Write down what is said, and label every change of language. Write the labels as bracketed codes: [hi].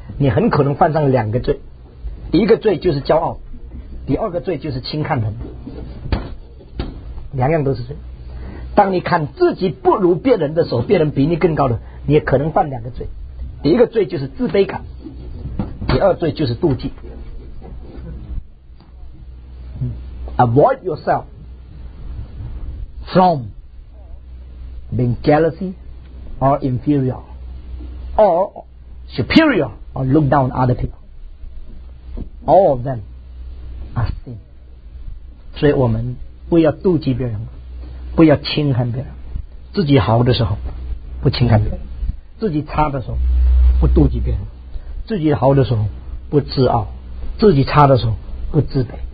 [zh] 你很可能犯上2个罪，一个罪就是骄傲，第二个罪就是轻看人，两样都是罪。当你看自己不如别人的时候，别人比你更高的，你也可能犯2个罪，第一个罪就是自卑感，第二罪就是妒忌。 [en] Avoid yourself from being jealousy or inferior or superior or look down other people. All of them are sin. [zh] 所以我们不要妒忌别人，不要轻看别人。自己好的时候不轻看别人，自己差的时候不妒忌别人，自己好的时候不自傲，自己差的时候不自卑。